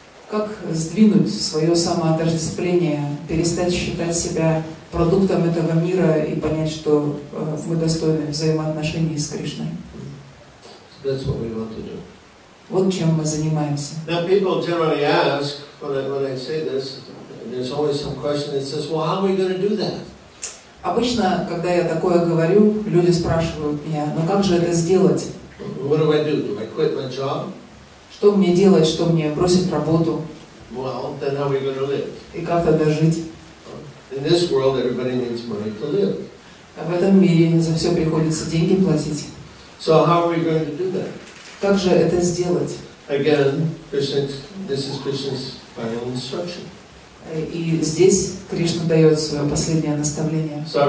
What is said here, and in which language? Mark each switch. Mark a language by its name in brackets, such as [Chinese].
[Russian] Как сдвинуть свое самоотождествление, перестать считать себя продуктом этого мира и понять, что мы достойны взаимоотношений с Кришной? [English] So that's what we want to do. [Russian] Вот чем мы занимаемся. [English] Now people generally ask when I say this. There's always some question that says, "Well, how are we going to do that?" [Russian] Обычно, когда я такое говорю, люди спрашивают меня, "Ну как же это сделать?" [English] What do I do? Do I quit my job? [Russian] Что мне делать? Что мне бросить работу? [English] Well, then how are we going to live? [Russian] И как тогда жить? [English] In this world, everybody needs money to live. [Russian] А в этом мире за все приходится деньги платить. [English] So how are we going to do that? [Russian] Как же это сделать? [English] Again, this is Krishna's final instruction. [Russian] И здесь Кришна дает свое последнее наставление.